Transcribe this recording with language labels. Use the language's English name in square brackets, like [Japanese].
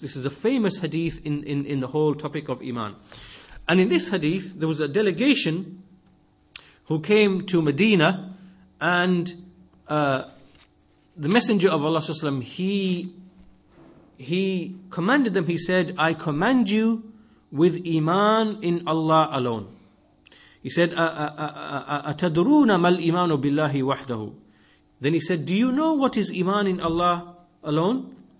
[Arabic] This is a famous hadith in the whole topic of Iman. And in this hadith, there was a delegation who came to Medina, and the Messenger of Allah Sallallahu Alaihi Wasallam, he commanded them, he said, I command you with Iman in Allah alone. He said, أَتَدْرُونَ مَا الْإِمَانُ بِاللَّهِ وَحْدَهُ. [English] Then he said, do you know what is Iman in Allah alone?